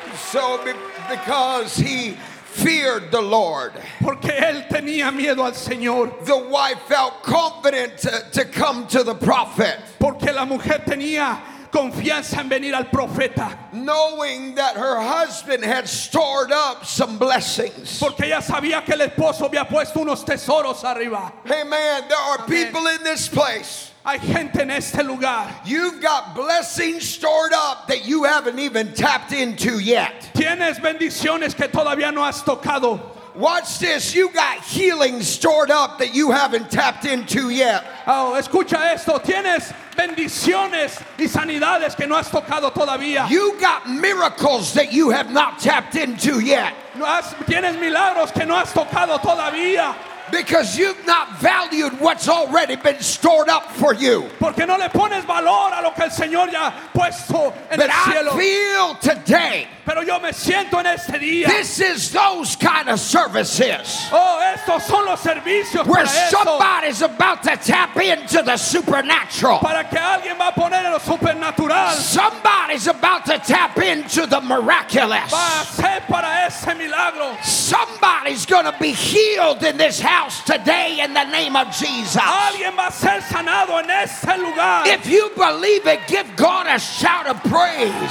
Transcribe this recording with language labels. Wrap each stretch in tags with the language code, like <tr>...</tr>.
<en>So because he feared the Lord.</en> <es>Porque él tenía miedo al Señor.</es> <en>The wife felt confident to come to the prophet.</en> <es>Porque la mujer tenía confianza en venir al profeta.</es> <en>Knowing that her husband had stored up some blessings.</en> <es>Porque ella sabía que el esposo había puesto unos tesoros arriba.</es> <en>Amen. There are people in this place.</en> <es>Hay gente en este lugar.</es> <en>You've got blessings stored up that you haven't even tapped into yet.</en> <es>Tienes bendiciones que todavía no has tocado.</es> <en>Watch this. You got healing stored up that you haven't tapped into yet.</en> <es>Oh, escucha esto. Tienes bendiciones y sanidades que no has tocado todavía.</es> <en>You got miracles that you have not tapped into yet.</en> <es>Tienes milagros que no has tocado todavía.</es> <en>Because you've not valued what's already been stored up for you.</en> <es>Porque no le pones valor a lo que el Señor ya puesto en</es> <en>but</en> <es>el cielo.</es> <en>I feel today.</en> <es>Pero yo me siento en este día.</es> <en>This is those kind of services.</en> <es>Oh, estos son los servicios</es> <en>where</en> <es>para</es> <en>somebody's</en> <es>esto.</es> <en>About to tap into the supernatural.</en> <es>Para que alguien va a poner en lo supernatural.</es> <en>Somebody's about to tap into the miraculous.</en> <es>Va a ser para ese milagro.</es> <en>Somebody's going to be healed in this house today in the name of Jesus.</en> <es>Alguien va a ser sanado en este lugar.</es> <en>If you believe it, give God a shout of praise.</en>